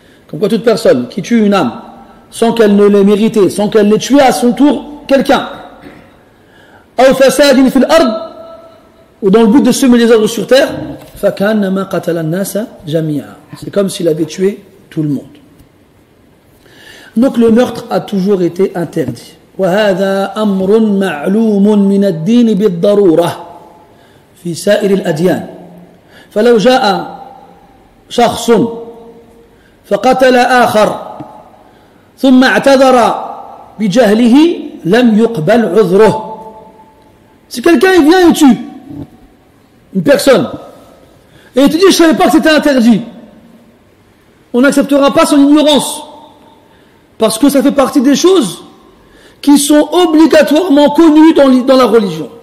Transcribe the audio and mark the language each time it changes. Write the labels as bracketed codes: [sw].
[fr] Comme quoi toute personne qui tue une âme sans qu'elle ne l'ait méritée, sans qu'elle l'ait tué à son tour quelqu'un, [ar] أو فساد في الأرض, [fr] ou dans le but de semer des ordres sur terre, [ar] فكأنما قتل الناس جميعا. [fr] C'est comme s'il avait tué tout le monde. Donc le meurtre a toujours été interdit. [ar] وهذا أمر معلوم من الدين بالضرورة في سائر الأديان. فلو جاء شخص فقتل آخر ثم اعتذر بجهله لم يقبل عذره. [fr] Si quelqu'un il vient et tue une personne et il te dit je savais pas que c'était interdit, on n'acceptera pas son ignorance parce que ça fait partie des choses qui sont obligatoirement connus dans la religion.